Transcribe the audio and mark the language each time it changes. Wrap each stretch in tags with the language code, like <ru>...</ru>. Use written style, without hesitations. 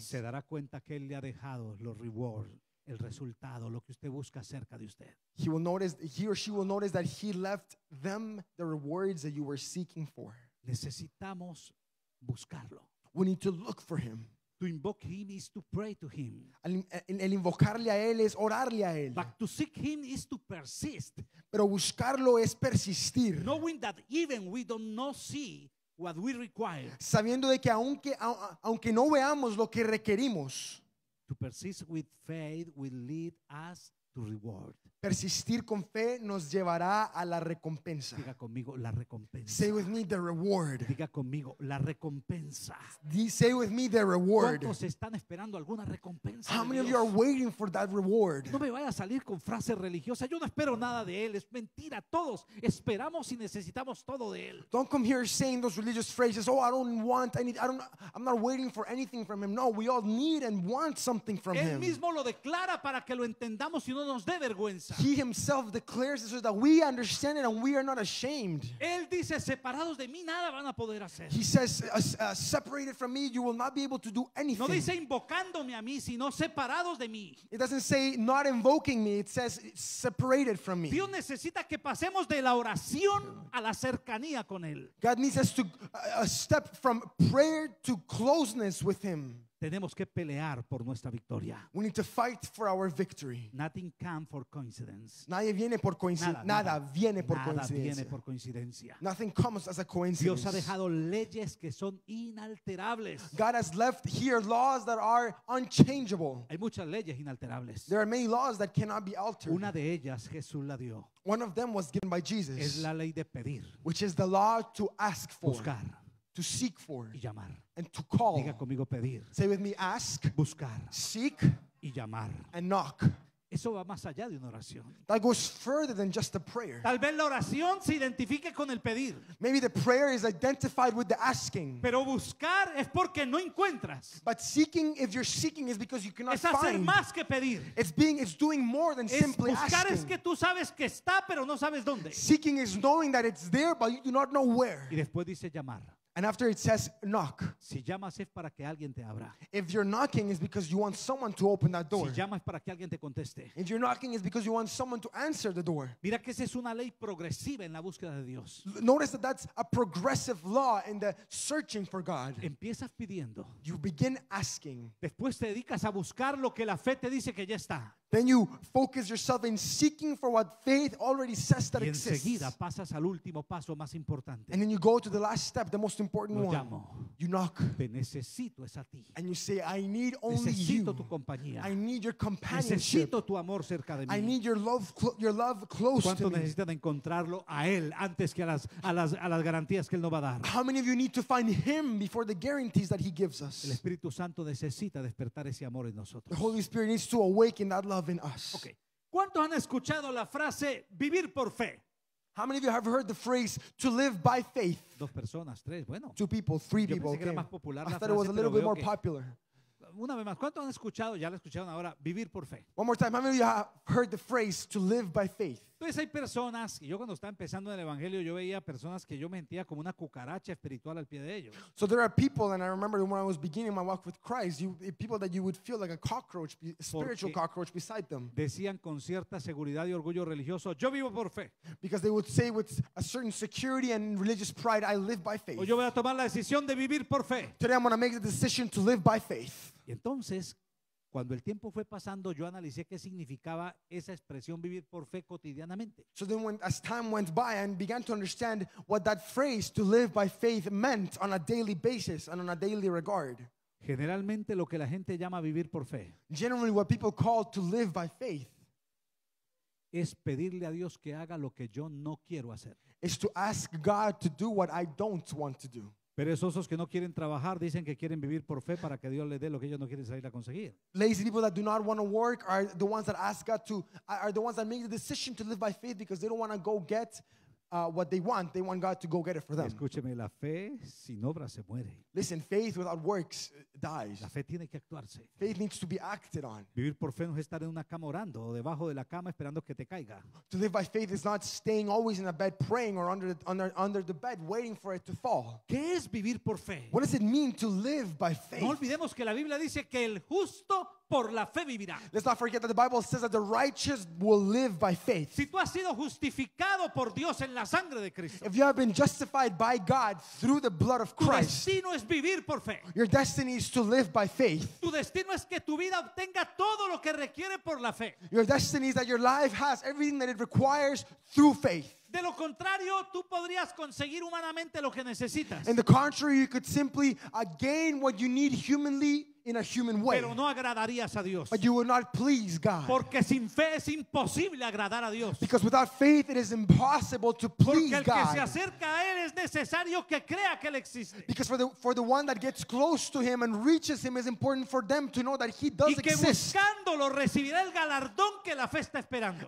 <es>Se dará cuenta que él le ha dejado los rewards, el resultado, lo que usted busca cerca de usted.</es> <en>He will notice, he or she will notice that he left them the rewards that you were seeking for.</en> <es>Necesitamos buscarlo.</es> <en>We need to look for him. To invoke him is to pray to him.</en> <es>El invocarle a él es orarle a él.</es> <en>But to seek him is to persist.</en> <es>Pero buscarlo es persistir.</es> <en>Knowing that even we do not see what we require.</en> <es>Sabiendo de que aunque no veamos lo que requerimos.</es> <en>To persist with faith will lead us to reward.</en> <es>Persistir con fe nos llevará a la recompensa. Diga conmigo la recompensa.</es> <en>Say with me the reward.</en> <es>Diga conmigo la recompensa.</es> <en>Say with me the reward.</en> <es>¿Cuántos están esperando alguna recompensa?</es> <en>How many of you are waiting for that reward?</en> <es>No me vaya a salir con frases religiosas. Yo no espero nada de él. Es mentira. Todos esperamos y necesitamos todo de él.</es> <en>Don't come here saying those religious phrases. Oh, I don't want any. I'm not waiting for anything from him. No, we all need and want something from</en> <es>él</es> <en>him.</en> <es>Él mismo lo declara para que lo entendamos y no nos dé vergüenza.</es> <en>He himself declares this so that we understand it and we are not ashamed.</en> <es>Él dice, separados de mí, nada van a poder hacer.</es> <en>He says, separated from me, you will not be able to do anything.</en> <es>No dice invocándome a mí, sino separados de mí.</es> <en>It doesn't say not invoking me, it says separated from me.</en> <es>Dios necesita que pasemos de la oración a la cercanía con él.</es> <en>God needs us to step from prayer to closeness with him.</en> <es>Tenemos que pelear por nuestra victoria.</es> <en>We need to fight for our victory. Nothing comes for coincidence.</en> <es>Nadie viene por coincidencia. Nada viene por coincidencia. Nada viene por coincidencia.</es> <en>Nothing comes as a coincidence.</en> <es>Dios ha dejado leyes que son inalterables.</es> <en>God has left here laws that are unchangeable.</en> <es>Hay muchas leyes inalterables.</es> <en>There are many laws that cannot be altered.</en> <es>Una de ellas Jesús la dio.</es> <en>One of them was given by Jesus.</en> <es>Es la ley de pedir.</es> <en>Which is the law to ask for.</en> <es>Buscar.</es> <en>To seek for</en> <es>y llamar.</es> <en>And to call.</en> <es>Diga conmigo pedir.</es> <en>Say with me, ask.</en> <es>Buscar.</es> <en>Seek.</en> <es>Y llamar.</es> <en>And knock.</en> <es>Eso va más allá de una oración.</es> <en>That goes further than just a prayer.</en> <es>Tal vez la oración se identifique con el pedir.</es> <en>Maybe the prayer is identified with the asking.</en> <es>Pero buscar es porque no encuentras.</es> <en>But seeking, if you're seeking, is because you cannot find.</en> <es>Es hacer</es> <en>find.</en> <es>Más que pedir.</es> <en>It's doing more than</en> <es>es</es> <en>simply</en> <es>buscar</es> <en>asking.</en> <es>Es que tú sabes que está, pero no sabes dónde.</es> <en>Seeking is knowing that it's there, but you do not know where.</en> <es>Y después dice llamar.</es> <en>And after it says knock.</en> <es>Si llamas es para que alguien te abra.</es> <en>If you're knocking is because you want someone to open that door.</en> <es>Si llamas para que alguien te conteste.</es> <en>If you're knocking is because you want someone to answer the door.</en> <es>Mira que esa es una ley progresiva en la búsqueda de Dios.</es> <en>Notice that that's a progressive law in the searching for God.</en> <es>Empiezas pidiendo.</es> <en>You begin asking.</en> <es>Después te dedicas a buscar lo que la fe te dice que ya está.</es> <en>Then you focus yourself in seeking for what faith already says that</en> <es>y</es> <en>exists.</en> <es>Enseguida pasas al último paso más importante.</es> <en>And then you go to the last step, the most important</en> <es>lo</es> <en>one.</en> <es>Llamo.</es> <en>You knock.</en> <es>Te necesito es a ti.</es> <en>And you say, I need only</en> <es>necesito</es> <en>you.</en> <es>Tu compañía.</es> <en>I need your companionship.</en> <es>Necesito tu amor cerca de mí.</es> <en>I need your love close</en> <es>¿cuánto</es> <en>to me.</en> <es>Necesitas encontrarlo a él antes que a las garantías que él no va a dar?</es> <en>How many of you need to find him before the guarantees that he gives us?</en> <es>El Espíritu Santo necesita despertar ese amor en nosotros.</es> <en>The Holy Spirit needs to awaken that love. Okay.</en> <es>¿Cuántos han escuchado la frase vivir por fe?</es> <en>How many of you have heard the phrase to live by faith?</en> <es>Dos personas, tres, bueno.</es> <en>Two people, three people.</en> <es>Yo pensé que era más popular la frase.</es> <en>I thought it was a little bit more popular.</en> <es>Una vez más, ¿cuántos han escuchado? Ya la escucharon ahora, vivir por fe.</es> <en>One more time, how many of you have heard the phrase to live by faith?</en> <es>Entonces hay personas, yo cuando estaba empezando en el evangelio, yo veía personas que yo me sentía como una cucaracha espiritual al pie de ellos.</es> <en>So there are people, and I remember when I was beginning my walk with Christ, people that you would feel like a cockroach, spiritual cockroach beside them.</en> <es>Decían con cierta seguridad y orgullo religioso, yo vivo por fe.</es> <en>Because they would say with a certain security and religious pride, I live by faith.</en> <es>O yo voy a tomar la decisión de vivir por fe.</es> <en>Today I'm going to make the decision to live by faith.</en> <es>Y entonces, cuando el tiempo fue pasando, yo analicé qué significaba esa expresión vivir por fe cotidianamente.</es> <en>So then when, as time went by, I began to understand what that phrase to live by faith meant on a daily basis and on a daily regard.</en> <es>Generalmente lo que la gente llama vivir por fe.</es> <en>Generally what people call to live by faith.</en> <es>Es pedirle a Dios que haga lo que yo no quiero hacer.</es> <en>Is to ask God to do what I don't want to do.</en> <es>Perezosos que no quieren trabajar dicen que quieren vivir por fe para que Dios les dé lo que ellos no quieren salir a conseguir.</es> <en>Lazy people that do not want to work are the ones that ask God to, are the ones that make the decision to live by faith because they don't want to go get what they want. They want God to go get it for them.</en> <es>Escúcheme, la fe sin obra se muere.</es> <en>Listen, faith without works dies.</en> <es>La fe tiene que actuarse.</es> <en>Faith needs to be acted on.</en> <es>Vivir por fe no es estar en una cama orando o debajo de la cama esperando que te caiga.</es> <en>To live by faith is not staying always in a bed praying or under the bed waiting for it to fall.</en> <es>¿Qué es vivir por fe?</es> <en>What does it mean to live by faith?</en> <es>No olvidemos que la Biblia dice que el justo por la fe vivirá.</es> <en>Let's not forget that the Bible says that the righteous will live by faith.</en> <es>Si tú has sido justificado por Dios en la sangre de Cristo.</es> <en>If you have been justified by God through the blood of Christ.</en> <es>Tu destino es vivir por fe.</es> <en>Your destiny is to live by faith.</en> <es>Tu destino es que tu vida obtenga todo lo que requiere por la fe.</es> <en>Your destiny is that your life has everything that it requires through faith.</en> <es>De lo contrario, tú podrías conseguir humanamente lo que necesitas.</es> <en>In the contrary, you could simply gain what you need humanly. In a human way.</en> <es>Pero no agradarías a Dios.</es> <en>But you will not please God.</en> <es>Porque sin fe es imposible agradar a Dios.</es> <en>Because without faith it is impossible to please God.</en> <es>Porque el que se acerca a él es necesario que crea que él existe.</es> <en>Because for the one that gets close to him and reaches him, it's important for them to know that he does exist.</en> <es>Y que</es> <en>exist.</en> <es>Buscándolo recibirá el galardón que la fe está esperando.</es>